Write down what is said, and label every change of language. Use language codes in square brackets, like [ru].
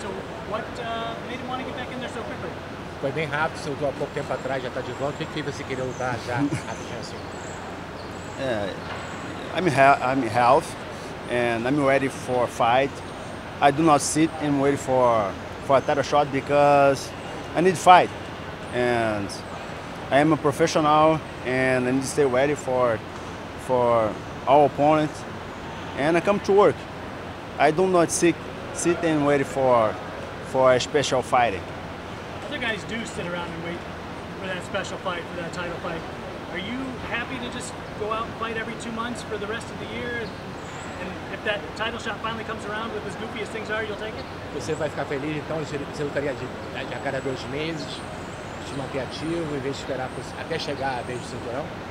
[en] So what made him want to get back in there so quickly? [pt] Foi bem rápido, você lutou há pouco tempo atrás, já está de volta. O que fez você querer lutar já rapidinho assim? [en] I'm health and I'm ready for a fight. I do not sit and wait for a title shot because I need to fight. And I am a professional and I need to stay ready for our opponent. And I come to work. I do not sit and wait for a special fighting. Other guys do sit around and wait for that special fight, for that title fight. Are you happy to just go out and fight every 2 months for the rest of the year? And if that title shot finally comes around with as goofy as things are, you'll take it? [pt] Você vai ficar feliz, então você lutaria a cada 2 meses, te manter ativo, em vez de esperar até chegar a vez do cinturão?